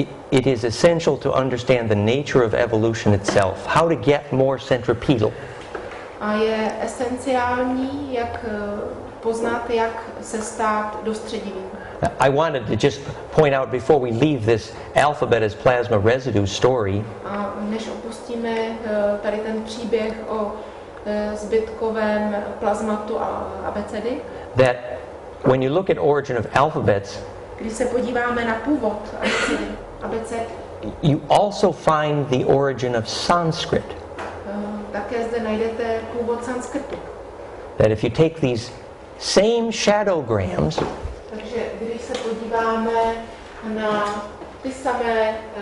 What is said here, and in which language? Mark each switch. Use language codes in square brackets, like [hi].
[en] It is essential to understand the nature of evolution itself, how to get more centripetal. [cs] A je esenciální, jak poznat, jak se stát dostředivým. [en] I wanted to just point out before we leave this alphabet as plasma residue story. [cs] A než opustíme tady ten příběh o zbytkovém plazmatu a abecedy. [en] That when you look at origin of alphabets, [cs] když se podíváme na původ abecedy, [en] you also find the origin of Sanskrit. [cs] Také zde najdete původ sanskritu. [en] That if you take these same shadowgrams, [cs] takže když se podíváme na ty samé